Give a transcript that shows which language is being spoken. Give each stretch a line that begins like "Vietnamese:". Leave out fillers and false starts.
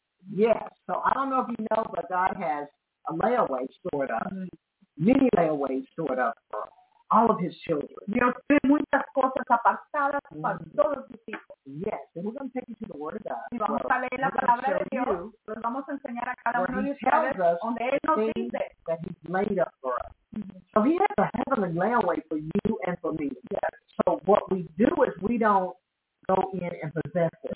English: Yes, so I don't know if you know, but God has a layaway stored up, many layaways stored up for all of his children.
Spanish: Dios tiene muchas cosas apartadas para todos sus hijos.
English: Yes, and we're going to take you to the word of God.
Spanish: Y vamos a leer la palabra de Dios. Los vamos a enseñar a cada uno de ustedes donde él nos dice
English: that he's laid up for us. So he has a heavenly layaway for you and for me. Yes. So what we do is we don't go in and possess it.